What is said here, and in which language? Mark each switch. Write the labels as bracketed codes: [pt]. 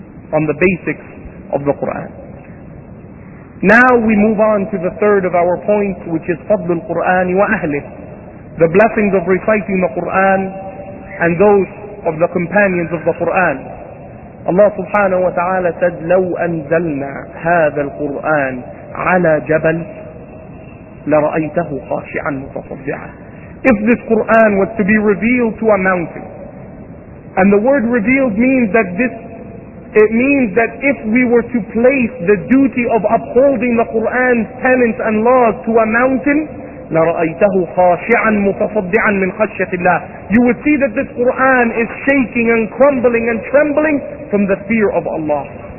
[en] On the basics of the Qur'an. Now we move on to the third of our points, which is Fadl al-Qur'an wa ahlih, the blessings of reciting the Qur'an and those of the companions of the Qur'an. [ar] الله سبحانه وتعالى سد لو أنزلنا هذا القرآن على جبل لرأيته خاشعا متصدعا. [en] If this Quran was to be revealed to a mountain, and the word revealed means that this, it means that if we were to place the duty of upholding the Quran's tenets and laws to a mountain, [ar] لَرَأَيْتَهُ خَاشِعًا مُتَصَدِّعًا مِنْ خَشْيَةِ اللَّهِ, [en] you would see that this Quran is shaking and crumbling and trembling from the fear of Allah.